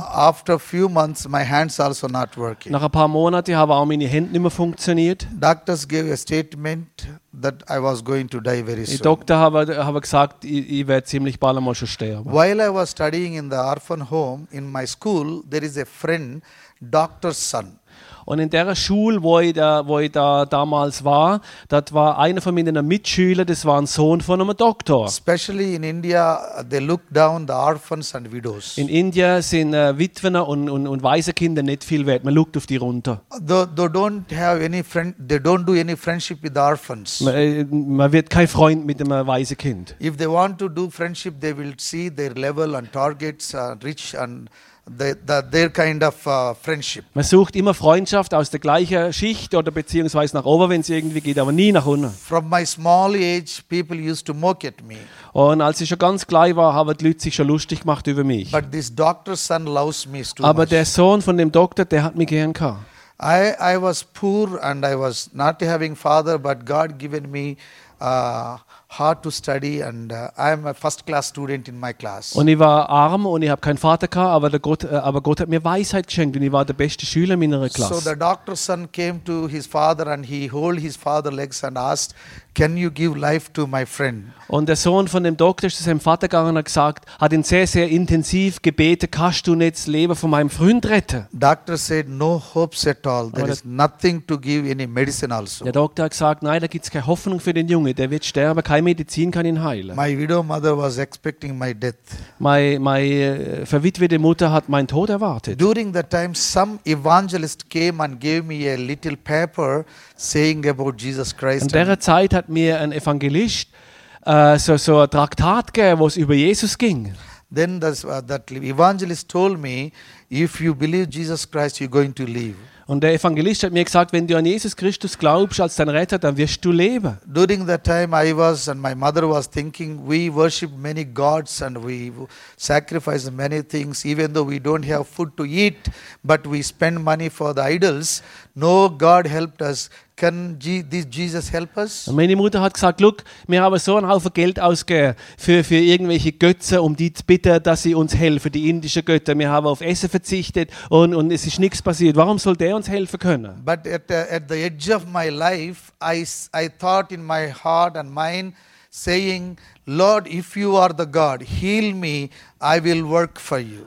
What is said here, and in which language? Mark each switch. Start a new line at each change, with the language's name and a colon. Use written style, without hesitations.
English: After few months my hands also not working.
German: Nach ein paar Monaten haben auch meine Hände nicht mehr funktioniert.
English: Doctors gave a statement that I was going to die very soon.
German: Die Doktor haben gesagt, ich werde ziemlich bald einmal schon sterben.
English: While I was studying in the orphan home in my school, there is a friend, Doctor's son.
German: Und in der Schule, wo ich da damals war, das war einer von meinen Mitschülern, das war ein Sohn von einem Doktor.
English: Especially in India, they look down the orphans and widows.
German: In Indien sind Witwen und Waisenkinder nicht viel wert. Man schaut auf die runter.
English: They don't do any friendship with orphans.
German: Man wird kein Freund mit einem Waisenkind.
English: If they want to do friendship, they will see their level and targets, rich and their kind of friendship.
German: Man sucht immer Freundschaft aus der gleichen Schicht oder beziehungsweise nach oben, wenn es irgendwie geht, aber nie nach unten.
English: From my small age, people used to mock at me.
German: Und als ich schon ganz klein war, haben die Leute sich schon lustig gemacht über mich.
English: But this doctor's son loves me too
German: aber
English: much.
German: Der Sohn von dem Doktor, der hat mich gern gehabt.
English: I was poor and I was not having father, but God given me hard to study and I am a first class student in my class.
German: Und ich war arm und ich habe keinen Vater gehabt, aber Gott hat mir Weisheit geschenkt und ich war der beste Schüler in meiner Klasse.
English: So the doctor's son came to his father and he held his father's legs and asked, can you give life to my friend?
German: Und der Sohn von dem Doktor ist zu seinem Vater gegangen und hat ihn sehr, sehr intensiv gebeten, kannst du nicht das Leben von meinem Freund retten?
English: Doctor said, no hopes at all. There is nothing to give any medicine also.
German: Der Doktor hat gesagt, nein, da gibt es keine Hoffnung für den Junge, der wird sterben, keine Medizin kann ihn heilen.
English: My widow mother was expecting my death.
German: Meine verwitwete Mutter hat meinen Tod erwartet.
English: During that time, some evangelist came and gave me a little paper saying about Jesus Christ.
German: In der Zeit hat mir ein Evangelist so ein Traktat gegeben, wo es über Jesus ging.
English: Then that evangelist told me, if you believe Jesus Christ, you're going to live.
German: Und der Evangelist hat mir gesagt, wenn du an Jesus Christus glaubst als dein Retter, dann wirst du leben.
English: During that time I was and my mother was thinking, we worship many gods and we sacrifice many things, even though we don't have food to eat, but we spend money for the idols. No God helped us. Can this Jesus help us?
German: Meine Mutter hat gesagt,
English: look,
German: wir haben so einen Haufen Geld ausgegeben für irgendwelche Götze, um die zu bitten, dass sie uns helfen, die indischen Götter. Wir haben auf Essen verzichtet und es ist nichts passiert. Warum soll der uns helfen können?
English: But at the edge of my life, I thought in my heart and mind, saying, Lord, if you are the God, heal me, I will work for you.